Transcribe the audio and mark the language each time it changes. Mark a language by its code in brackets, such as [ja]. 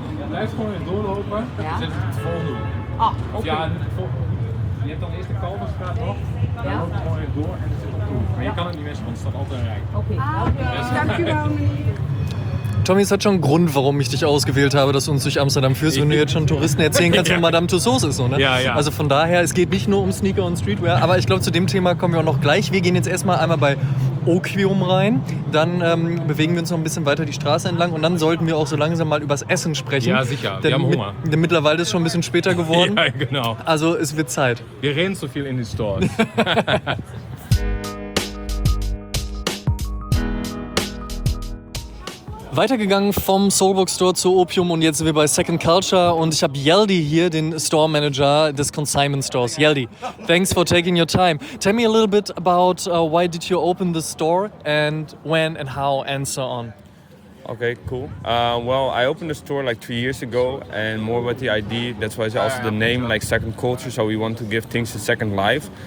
[nl] Blijft gewoon in doorlopen, ja. Dan zit het volgende hoek. Ah, oké. Ja, je hebt dan eerst de Kalverstraat nog, dan loopt het gewoon weer door en dan zit het op de hoek. Maar je kan het niet missen, want het staat altijd een rij. Oké, dankjewel. [de] Tommy, es hat schon einen Grund, warum ich dich ausgewählt habe, dass du uns durch Amsterdam führst, wenn du jetzt schon Touristen erzählen kannst, wo Madame Tussauds ist. So, ne? Ja, ja. Also von daher, es geht nicht nur um Sneaker und Streetwear, aber ich glaube, zu dem Thema kommen wir auch noch gleich. Wir gehen jetzt erstmal einmal bei Okium rein, dann bewegen wir uns noch ein bisschen weiter die Straße entlang und dann sollten wir auch so langsam mal übers Essen sprechen. Ja, sicher. Wir haben Hunger. Denn mittlerweile ist es schon ein bisschen später geworden. Ja, genau. Also es wird Zeit. Wir reden zu viel in die Stores. weitergegangen vom Soulbox Store zu Opium und jetzt sind wir bei Second Culture und ich habe Yeldi hier, den Store Manager des Consignment Stores. [en] Yeldi, thanks for taking your time. Tell me a little bit about why did you open the store and when and how and so on. Okay, cool. Well, I opened the store like 3 years ago and more with the idea, that's why it's also the name, like Second Culture, so we want to give things a second life.